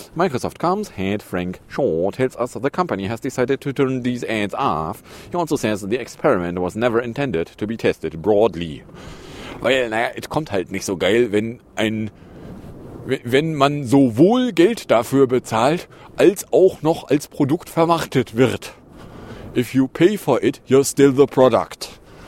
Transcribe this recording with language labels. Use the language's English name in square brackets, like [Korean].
[English] Microsoft comes, head Frank Shaw tells us the company has decided to turn these ads off. He also says the experiment was never intended to be tested broadly. [German] Weil, naja, es kommt halt nicht so geil, wenn man sowohl Geld dafür bezahlt, als auch noch als Produkt vermarktet wird. [English] If you pay for it, you're still the product.